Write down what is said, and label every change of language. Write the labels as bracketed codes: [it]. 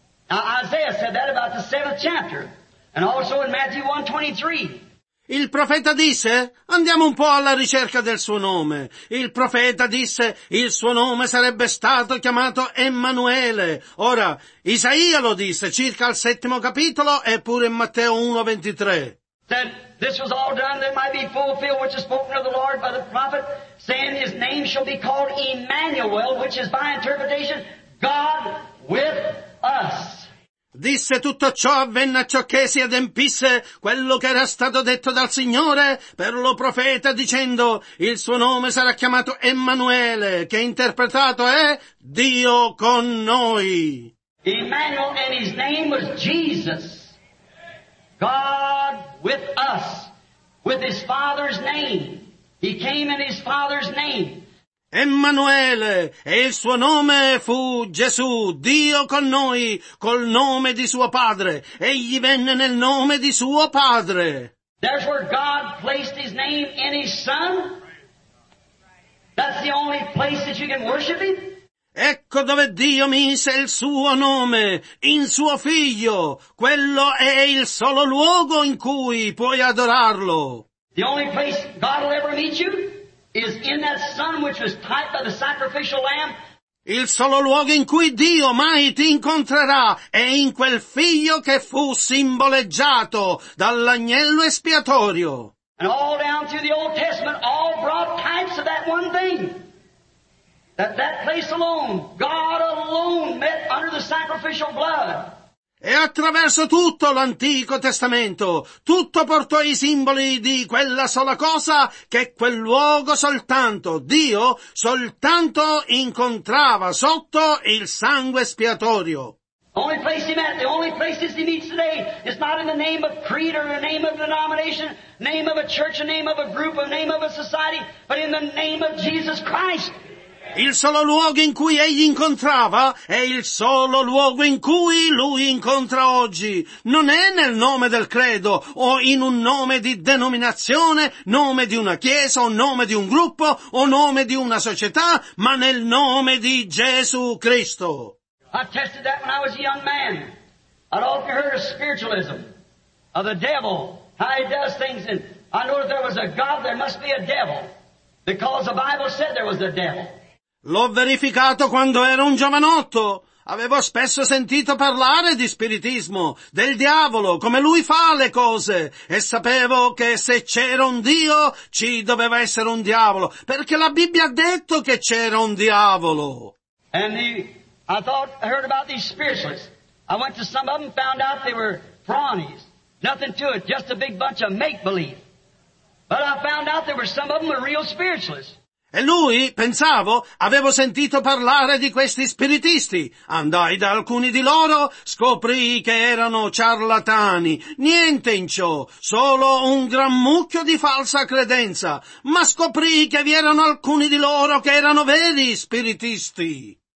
[en] Now Isaiah said that about the seventh chapter, and also in Matthew 1:23. [it] Il profeta disse, andiamo un po' alla ricerca del suo nome. Il profeta disse, il suo nome sarebbe stato chiamato Emmanuele. Ora, Isaia lo disse circa al settimo capitolo, eppure in Matteo 1:23. [en] That this was all done that might be fulfilled which is spoken of the Lord by the prophet, saying his name shall be called Emmanuel, which is by interpretation God with us. [it] Disse tutto ciò avvenne a ciò che si adempisse quello che era stato detto dal Signore per lo profeta dicendo il suo nome sarà chiamato Emmanuele, che interpretato è Dio con noi. [en] Emmanuel, and his name was Jesus. God with us, with his Father's name. He came in his Father's name. [it] Emmanuele, e il suo nome fu Gesù, Dio con noi, col nome di suo padre. Egli venne nel nome di suo padre. [en] Therefore God placed his name in his son. That's the only place that you can worship him. [it] Ecco dove Dio mise il suo nome, in suo figlio. Quello è il solo luogo in cui puoi adorarlo. [en] The only place God will ever meet you is in that son which was typed by the sacrificial lamb. [it] Il solo luogo in cui Dio mai ti incontrerà è in quel figlio che fu simboleggiato dall'agnello espiatorio. [en] And all down through the Old Testament, all brought types of that one thing. That place alone, God alone met under the sacrificial blood. [it] E attraverso tutto l'Antico Testamento, tutto portò i simboli di quella sola cosa che quel luogo soltanto, Dio, soltanto incontrava sotto il sangue espiatorio. [en] Only place he met, the only places he meets today, it's not in the name of creed or the name of denomination, name of a church, a name of a group, a name of a society, but in the name of Jesus Christ. [it] Il solo luogo in cui egli incontrava è il solo luogo in cui lui incontra oggi. Non è nel nome del credo o in un nome di denominazione, nome di una chiesa o nome di un gruppo o nome di una società, ma nel nome di Gesù Cristo. [en] I tested that when I was a young man. I'd often heard of spiritualism, of the devil, how he does things, and I know if there was a God, there must be a devil, because the Bible said there was a devil. [it] L'ho verificato quando ero un giovanotto. Avevo spesso sentito parlare di spiritismo, del diavolo, come lui fa le cose, e sapevo che se c'era un Dio, ci doveva essere un diavolo, perché la Bibbia ha detto che c'era un diavolo. [en] And I heard about these spiritualists. I went to some of them, found out they were phronies. Nothing to it, just a big bunch of make-believe. But I found out there were some of them were real spiritualists. [it] E lui, pensavo, avevo sentito parlare di questi spiritisti. Andai da alcuni di loro, scoprii che erano ciarlatani. Niente in ciò, solo un gran mucchio di falsa credenza. Ma scoprii che vi erano alcuni di loro che erano veri spiritisti.